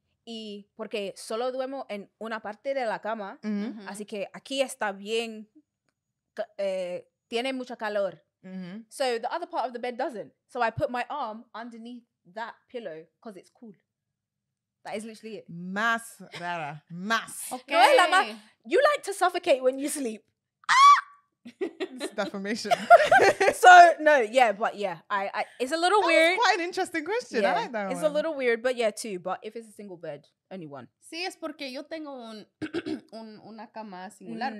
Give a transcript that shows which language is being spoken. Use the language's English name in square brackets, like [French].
[Spanish] Y porque solo duermo en una parte de la cama, mm-hmm. así que aquí está bien, tiene mucho calor. Mm-hmm. [English] So the other part of the bed doesn't. So I put my arm underneath that pillow because it's cool. That is literally it. [Spanish] Más rara, más. [English] Okay. No, Lama, you like to suffocate when you sleep. It's defamation. So no, yeah, but yeah, I it's a little that weird. Quite an interesting question. Yeah, I like that it's one. It's a little weird, but yeah, too. But if it's a single bed, only one. [Spanish] Sí, es porque yo tengo un una cama singular, mm.